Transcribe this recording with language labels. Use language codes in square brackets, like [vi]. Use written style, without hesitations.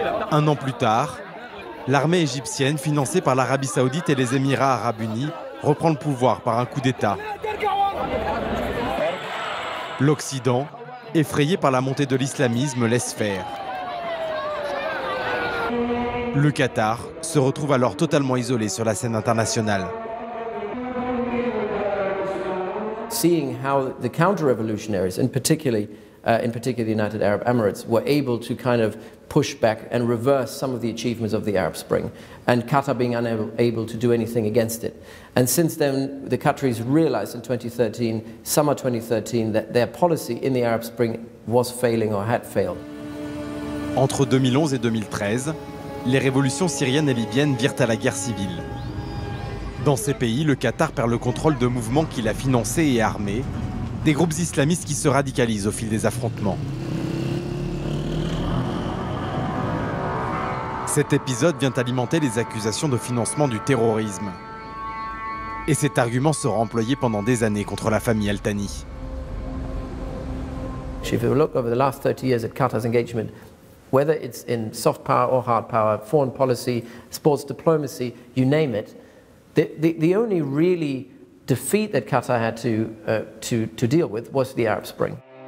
[fr] Un an plus tard, l'armée égyptienne, financée par l'Arabie Saoudite et les Émirats Arabes Unis, reprend le pouvoir par un coup d'État. L'Occident, effrayé par la montée de l'islamisme, laisse faire. Le Qatar se retrouve alors totalement isolé sur la scène internationale. [en] Seeing how the counter-revolutionaries, and particularly, the United Arab Emirates, were able to kind of push back and reverse some of the achievements of the Arab Spring, and Qatar being unable to do anything against it. And since then, the Qataris realized in 2013, summer 2013, that their policy in the Arab Spring was failing or had failed. [fr] Entre 2011 et 2013, les révolutions syriennes et libyennes virent à la guerre civile. Dans ces pays, le Qatar perd le contrôle de mouvements qu'il a financés et armés, des groupes islamistes qui se radicalisent au fil des affrontements. Cet épisode vient alimenter les accusations de financement du terrorisme. Et cet argument sera employé pendant des années contre la famille Al-Thani. Si vous regardez les dernières 30 ans de [en] Qatar's engagement, whether it's in soft power or hard power, foreign policy, sports diplomacy, you name it, the only really defeat that Qatar had to deal with was the Arab Spring.